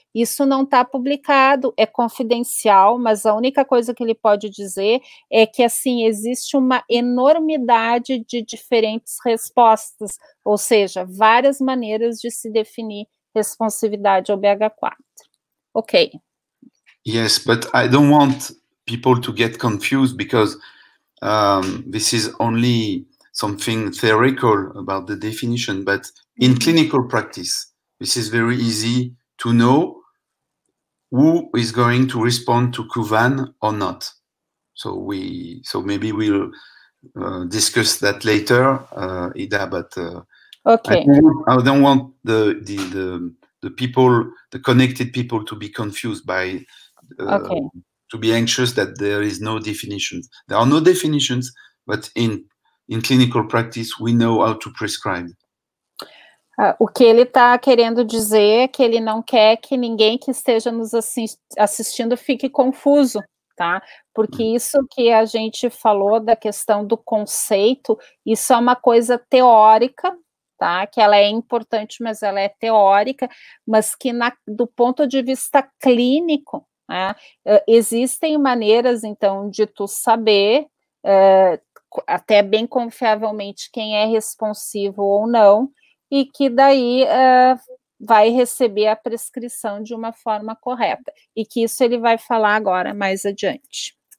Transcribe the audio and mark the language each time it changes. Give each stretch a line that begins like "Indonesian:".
Portuguese: Isso não está publicado, é confidencial, mas a única coisa que ele pode dizer é que, assim, existe uma enormidade de diferentes respostas, ou seja, várias maneiras de se definir responsividade ao BH4.
English: Ok. Yes, but I don't want people to get confused because this is only something theoretical about the definition, but in clinical practice, this is very easy to know who is going to respond to Kuvan or not. So maybe we'll discuss that later, Ida, but okay. I don't want the people, the connected people, to be confused by to be anxious that there is no definition. There are no definitions, but in clinical practice, we know how to prescribe.
Portuguese: O que ele está querendo dizer é que ele não quer que ninguém que esteja nos assistindo fique confuso, tá? Porque isso que a gente falou da questão do conceito, isso é uma coisa teórica, tá? Que ela é importante, mas ela é teórica, mas que do ponto de vista clínico, né, existem maneiras, então, de tu saber até bem confiavelmente quem é responsivo ou não, e que daí vai receber a prescrição de uma forma correta, e que isso ele vai falar agora mais adiante.